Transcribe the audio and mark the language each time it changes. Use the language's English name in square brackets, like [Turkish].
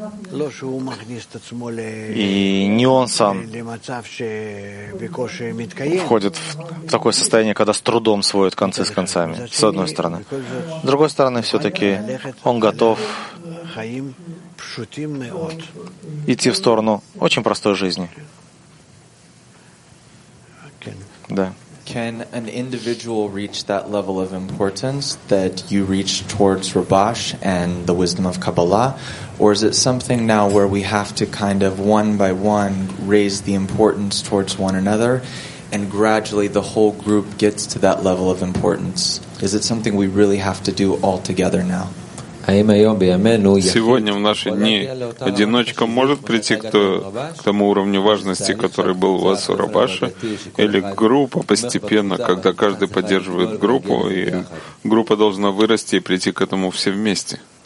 [Russian] И не он сам входит в такое состояние, когда с трудом сводит концы с концами, с одной стороны. С другой стороны, все-таки он готов идти в сторону очень простой жизни. Да. [English] Can an individual reach that level of importance that you reach towards Rabash and the wisdom of Kabbalah? Or is it something now where we have to kind of one by one raise the importance towards one another and gradually the whole group gets to that level of importance? Is it something we really have to do all together now? [Russian] Сегодня, в наши дни, одиночка может прийти к тому уровню важности, который был у вас у Рабаша, или группа постепенно, когда каждый поддерживает группу, и группа должна вырасти и прийти к этому все вместе?